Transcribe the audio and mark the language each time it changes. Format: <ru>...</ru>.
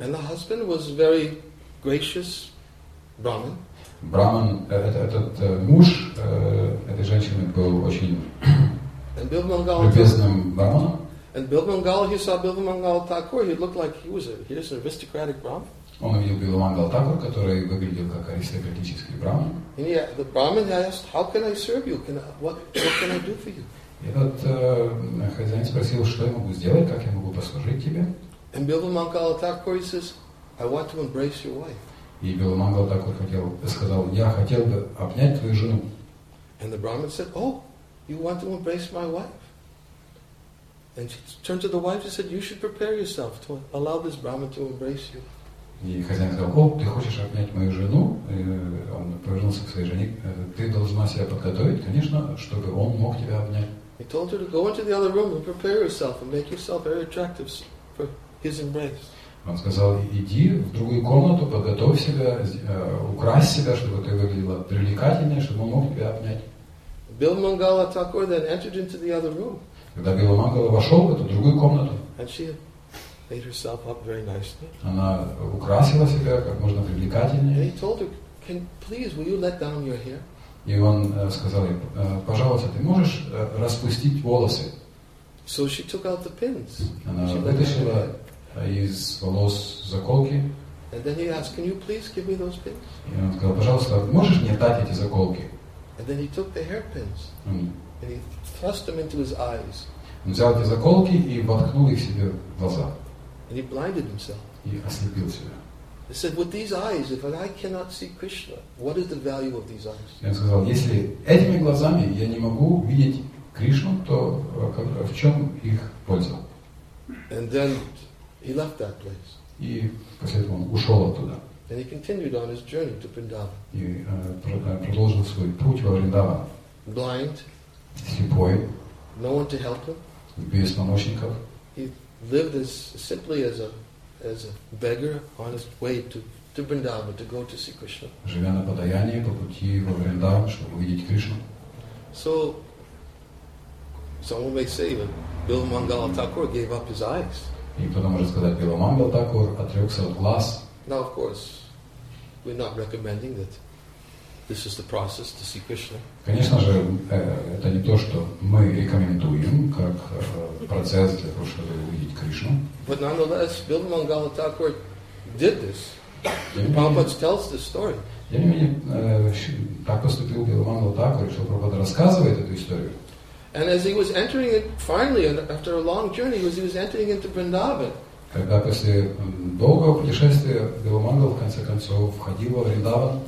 <en>And the husband was very gracious Brahmin.</en> <ru>Браман, этот муж этой женщины был очень любезным Браманом.</ru> <en>And Bilpamangala, he saw Bilpamangala Thakur, he looked like he was an aristocratic Brahmin.</en> <ru>Он увидел Bilpamangala Thakur, который выглядел как аристократический Браман.</ru> <en>And the Brahmin asked, how can I serve you? What can I do for you?</en> <ru>И этот хозяин спросил, что я могу сделать, как я могу послужить тебе?</ru> <en>And Bilpamangala Thakur, he says, I want to embrace your wife.</en> <ru>И Bilpamangala Thakur сказал, я хотел бы обнять твою жену.</ru> <en>And the Brahmin said, oh, you want to embrace my wife? And she turned to the wife and said, you should prepare yourself to allow this Brahmin to embrace you.</en> <ru>И хозяин сказал, о, ты хочешь обнять мою жену? И он повернулся к своей жене. Ты должна себя подготовить, конечно, чтобы он мог тебя обнять.</ru> <en>He told her to go into the other room and prepare yourself and make yourself very attractive for his embrace.</en> <ru>Он сказал, иди в другую комнату, подготовь себя, укрась себя, чтобы ты выглядела привлекательнее, чтобы он мог тебя обнять.</ru> <en>Bill Mangala Thakur then entered into the other room.</en> <ru>Когда Билла Мангала вошел в эту другую комнату,</ru> <en>and she made herself up very nicely.</en> <ru>Она украсила себя как можно привлекательнее.</ru> <en>And he told her, can, please, will you let down your hair?</en> <ru>И он сказал ей, пожалуйста, ты можешь распустить волосы?</ru> <en>So she took out the pins.</en> <ru>Она вытащила из волос заколки.</ru> <en>And then he asked, can you please give me those pins?</en> <ru>И он сказал, пожалуйста, можешь мне дать эти заколки?</ru> <en>And then he took the hair pins. And he thrust them into his eyes.</en> <ru>Он взял эти заколки и воткнул их себе в глаза.</ru> <en>And he blinded himself.</en> <ru>И ослепил себя.</ru> <en>He said, with these eyes, if I cannot see Krishna, what is the value of these eyes?</en> <ru>Он сказал, если этими глазами я не могу видеть Кришну, то в чем их польза?</ru> <en>And then he left that place.</en> <ru>И после этого он ушел оттуда.</ru> <en>And he continued on his journey to Vrindavan.</en> <ru>И продолжил свой путь во Вриндаван.</ru> <en>Blind.</en> <ru>Слепой.</ru> <en>No one to help him.</en> <ru>Без помощников.</ru> <en>He lived as simply as a beggar on his way to Vrindavan to go to see Krishna.</en> <ru>Живя на подаянии по пути во Вриндаван, чтобы увидеть Кришну.</ru> <en>So someone may say that Bill Mangala Thakur gave up his eyes.</en> <ru>И кто-то может сказать, Билла Мангала Такур отрекся от глаз.</ru> <en>Now, of course, we're not recommending that this is the process to see Krishna.</en> <ru>Конечно же, это не то, что мы рекомендуем как процесс для того, чтобы увидеть Кришну.</ru> <en>But nonetheless, Билла Мангала Такур did this. Prabhupada tells this story.</en> <ru>Тем не менее, так поступил Билла Мангала Такур, что Прабхупада рассказывает эту историю.</ru> <en>And as he was entering it, finally, after a long journey, he was entering into Vrindavan.</en> <ru>Когда после долгого путешествия Билла Мангала в конце концов входил во Вриндаван,</ru>